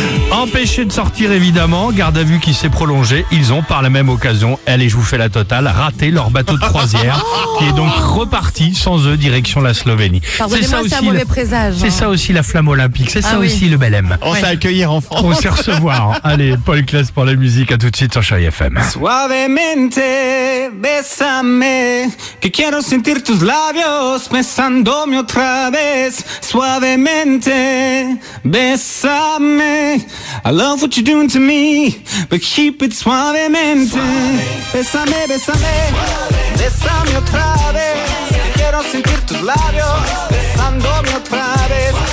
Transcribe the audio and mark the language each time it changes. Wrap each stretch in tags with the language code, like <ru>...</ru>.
<fr>Empêché de sortir, évidemment, garde à vue qui s'est prolongée. Ils ont, par la même occasion, elle et je vous fais la totale, raté leur bateau de croisière, qui est donc reparti sans eux direction la Slovénie. C'est ça aussi, c'est un mauvais présage. C'est ça aussi la flamme olympique, c'est ça aussi le Bel Em. On s'est accueillir en France. On s'est recevoir. Allez, Paul Kless pour la musique, à tout de suite sur Chérie FM.</fr> <es>Suavemente, bésame, que quiero sentir tus labios, besándome otra vez. Suavemente, bésame.</es> <en>I love what you're doing to me, but keep it suavemente.</en> <es>Bésame, bésame, bésame otra vez. Quiero sentir tus labios, besándome otra vez.</es>